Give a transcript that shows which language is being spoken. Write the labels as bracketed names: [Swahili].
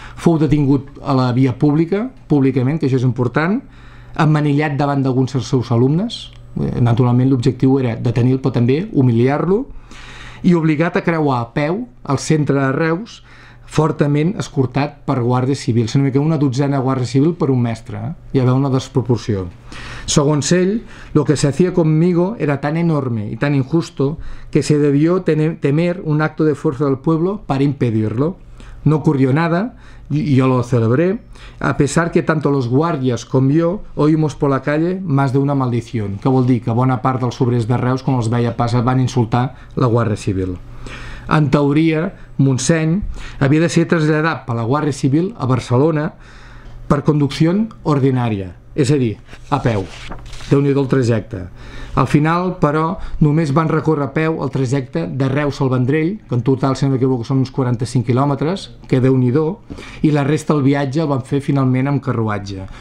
[Catalan] Fou detingut a la via pública, públicament, que això és important, emmanillat davant d'alguns dels seus alumnes, naturalment l'objectiu era detenir-lo, però també humiliar-lo, i obligat a creuar a peu al centre de Reus, fortament escortat per guàrdia civil, sinó que una dotzena de guàrdia civil per un mestre, hi havia una desproporció. Segons ell, [Spanish] lo que se hacía conmigo era tan enorme y tan injusto que se debió temer un acto de fuerza del pueblo para impedirlo. No ocurrió nada, y yo lo celebré, a pesar que tanto los guardias como yo oímos por la calle más de una maldición, [Catalan] que vol dir que bona part dels obrers de Reus, quan els veia passar, van insultar la guàrdia civil. En teoria, Montseny havia de ser traslladat per la Guàrdia Civil a Barcelona per conducció ordinària, és a dir, a peu. Déu-n'hi-do el trajecte. Al final, però, només van recórrer a peu el trajecte de Reus al Vendrell, que en total, si no m'equivoco, són uns 45 quilòmetres, que déu-n'hi-do, i la resta del viatge el van fer finalment amb carruatge.